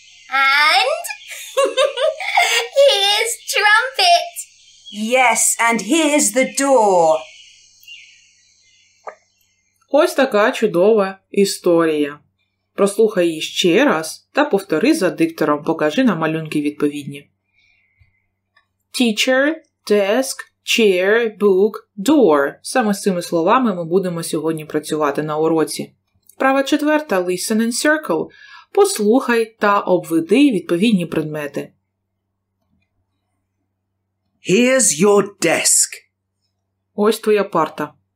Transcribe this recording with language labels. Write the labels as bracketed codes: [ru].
[en] And here's trumpet. Yes, and here's the door. [uk] Ось така чудова історія. Прослухай її ще раз та повтори за диктором. Покажи на малюнки відповідні. [en] Teacher, desk, chair, book, door. [uk] Саме з цими словами ми будемо сьогодні працювати на уроці. Вправа четверта. [en] Listen and circle. [uk] Послухай та обведи відповідні предмети. [en] Here's your desk. [uk] Ось твоя парта.